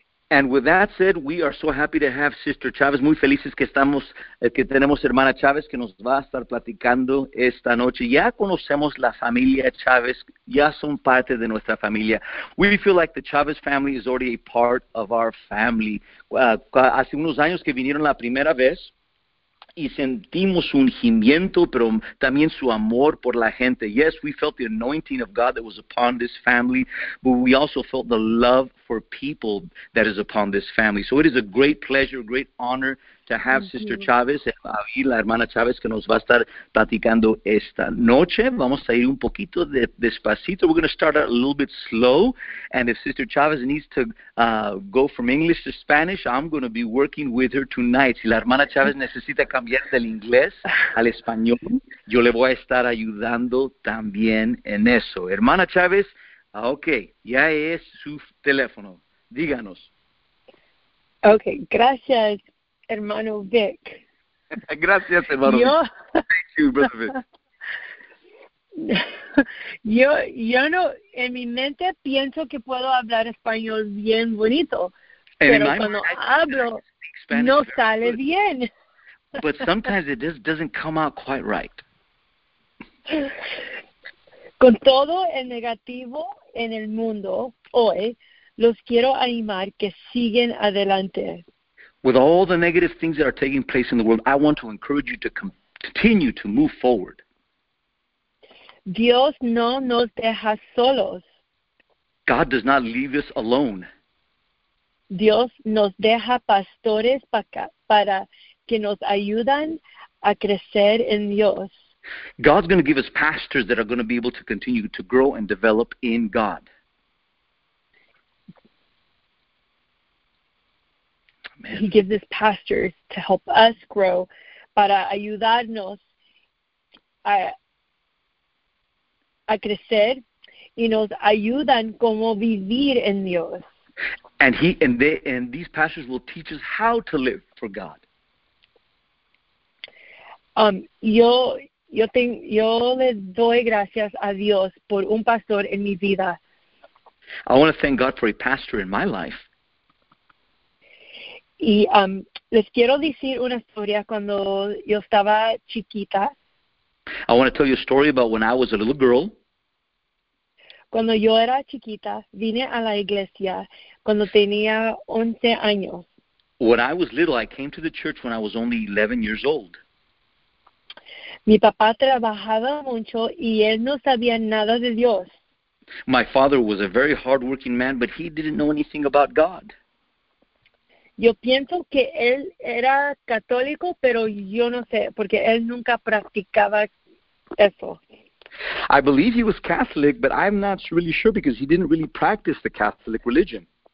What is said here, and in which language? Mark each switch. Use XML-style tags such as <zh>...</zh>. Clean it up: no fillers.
<en>And with that said, we are so happy to have Sister Chavez.</en> <es>Muy felices que estamos, que tenemos hermana Chavez que nos va a estar platicando esta noche. Ya conocemos la familia Chavez. Ya son parte de nuestra familia.</es> <en>We feel like the Chavez family is already a part of our family.</en> <es>Hace unos años que vinieron la primera vez y sentimos un ungimiento, pero también su amor por la gente.</es> <en>Yes, we felt the anointing of God that was upon this family, but we also felt the love for people that is upon this family. So it is a great pleasure, great honor to have Thank Sister you. Chavez,</en> <es>y la hermana Chavez, que nos va a estar platicando esta noche. Vamos a ir un poquito despacito.</es> <en>We're going to start out a little bit slow. And if Sister Chavez needs to go from English to Spanish, I'm going to be working with her tonight.</en> <es>Si la hermana Chavez necesita cambiar del inglés al español, yo le voy a estar ayudando también en eso. Hermana Chavez, okay, ya es su teléfono. Díganos. Okay, gracias. Hermano Vic. Gracias, hermano. Yo,</es> <en>Vic. Thank you, brother Vic.</en> <es>Yo no, en mi mente pienso que puedo hablar español bien bonito,</es> <en>and</en> <es>pero cuando hablo no sale</es> <en>good.</en> <es>Bien.</es> <en>But sometimes it just doesn't come out quite right.</en> <es>Con todo el negativo en el mundo hoy, los quiero animar que sigan adelante.</es> <en>With all the negative things that are taking place in the world, I want to encourage you to continue to move forward.</en> <es>Dios no nos deja solos.</es> <en>God does not leave us alone.</en> <es>Dios nos deja pastores para que nos ayuden a crecer en Dios.</es> <en>God's going to give us pastors that are going to be able to continue to grow and develop in God. He gives us pastors to help us grow,</en> <es>para ayudarnos a crecer, y nos ayudan como vivir en Dios.</es> <en>And these pastors will teach us how to live for God.</en> <es>Yo le doy gracias a Dios por un pastor en mi vida.</es> <en>I want to thank God for a pastor in my life.</en> <es>Y les quiero decir una historia cuando yo estaba chiquita.</es> <en>I want to tell you a story about when I was a little girl.</en> <es>Cuando yo era chiquita, vine a la iglesia cuando tenía 11 años.</es> <en>When I was little, I came to the church when I was only 11 years old.</en> <es>Mi papá trabajaba mucho y él no sabía nada de Dios.</es> <en>My father was a very hard-working man, but he didn't know anything about God.</en> <es>Yo pienso que él era católico, pero yo no sé, porque él nunca practicaba eso.</es> <en>I believe he was Catholic, but I'm not really sure because he didn't really practice the Catholic religion.</en>